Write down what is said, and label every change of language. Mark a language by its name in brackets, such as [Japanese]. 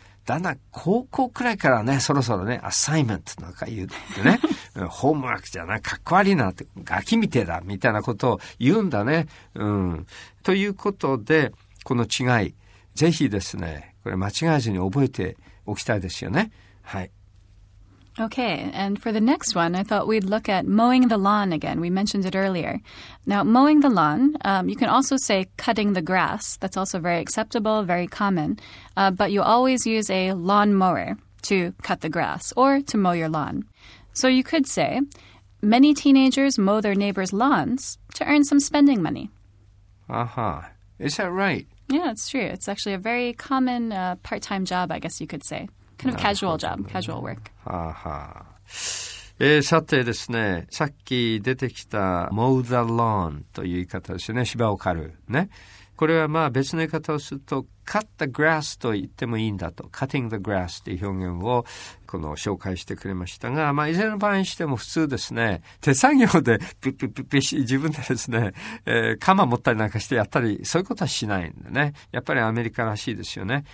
[Japanese] だんだん高校くらいからね、そろそろね、アサイメントなんか言ってね、ホームワークじゃない、かっこ悪いなって、ガキみてえだ、みたいなことを言うんだね。うん。ということで、この違い、ぜひですね、これ間違えずに覚えておきたいですよね。はい。 [English] Okay, and for the next one, I thought we'd look at mowing the lawn again. We mentioned it earlier. Now, mowing the lawn, you can also say cutting the grass. That's also very acceptable, very common. But you always use a lawn mower to cut the grass or to mow your lawn. So you could say, many teenagers mow their neighbor's lawns to earn some spending money. Uh-huh. Is that right? Yeah, it's true. It's actually a very common part-time job, I guess you could say. Kind of casual job, casual work. [Japanese] はあはあ、さてですね、さっき出てきた [English] mow the lawn [Japanese] という言い方ですよね、芝を刈る、ね、これはまあ別の言い方をすると [English] cut the grass [Japanese] と言ってもいいんだと、 [English] cutting the grass [Japanese] という表現をこの紹介してくれましたが、まあ、いずれの場合にしても普通ですね、手作業でピッピッピッピッ自分でですね、鎌持ったりなんかしてやったり、そういうことはしないんでね、やっぱりアメリカらしいですよね。